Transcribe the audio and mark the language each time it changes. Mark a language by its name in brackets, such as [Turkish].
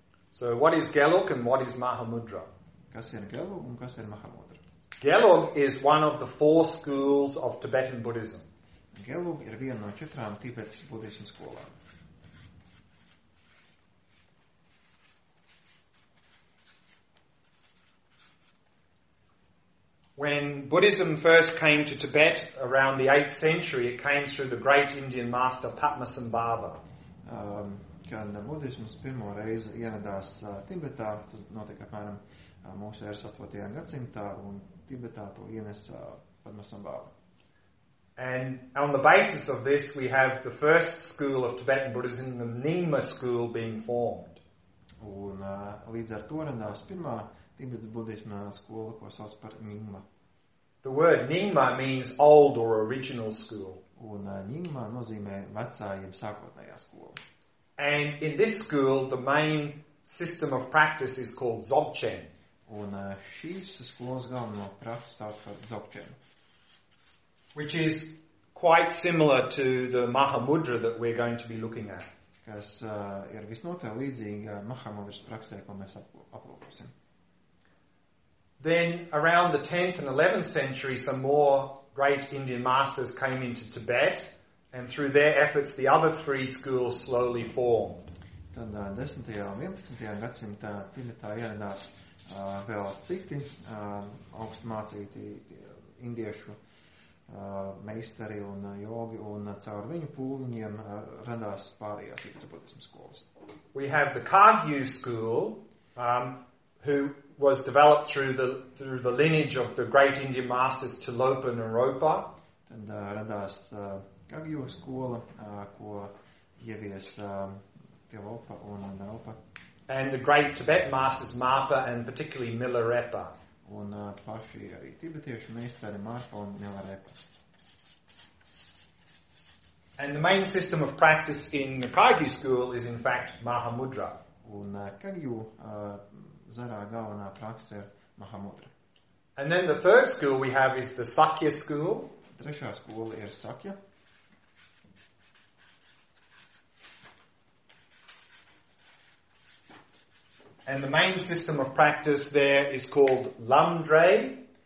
[English] So what is Geluk and what is Mahamudra? [Latvian] Kas ir Geluk un kas ir Mahamudra? [English] Gelug is one of the four schools of Tibetan Buddhism. [Latvian] Gelug ir viena no četrām Tibetas budisma skolām. [English] When Buddhism first came to Tibet around the 8th century, it came through the great Indian master Padmasambhava. [Latvian] Kad budisms pirmo reizi ienadās Tibetā, tas notika apmēram mūsu ēras 8. Gadsimtā, un Tibetā to ienes Padmasambhava. [English] And on the basis of this, we have the first school of Tibetan Buddhism, the Nyingma school, being formed. [Latvian] Un līdz ar to radās pirmā Tibetas budisma skola, ko sauc par Nyingma. [English] The word Nyingma means old or original school. [Latvian] Un Nyingma nozīmē vecā, jeb sākotnējā skola. [English] And in this school, the main system of practice is called Dzogchen. [Latvian] Un šīs skolas galveno praksi sauc par Dzogchen. [English] Which is quite similar to the Mahamudra that we're going to be looking at. [Latvian] Kas ir visnotaļ līdzīga Mahamudras praksē, ko mēs aplūkosim. [English] Then around the 10th and 11th century, some more great Indian masters came into Tibet, and through their efforts, the other three schools slowly formed. [Latvian] Tad 10. un 11. Gadsimtā Tibetā ieradās vēl citi augstmācīti indiešu meisteri un jogi, un caur viņu pūliņiem radās pārējās budisma skolas. [English] We have the Kagyu school, who was developed through the lineage of the great Indian masters Tilopa and Naropa. [Latvian] Tad radās Kagyu skola, ko ievies Tilopa un Naropa. [English] And the great Tibetan masters Marpa and particularly Milarepa. [Latvian] Un paši arī tibetiešu meistari Marpa un Milarepa. [English] And the main system of practice in the Kagyu school is in fact Mahamudra. [Latvian] Un Kagyu zarā galvenā praksa ir Mahamudra. [English] And then the third school we have is the Sakya school. [Latvian] Trešā skola ir Sakya. [English] And the main system of practice there is called Lamdre.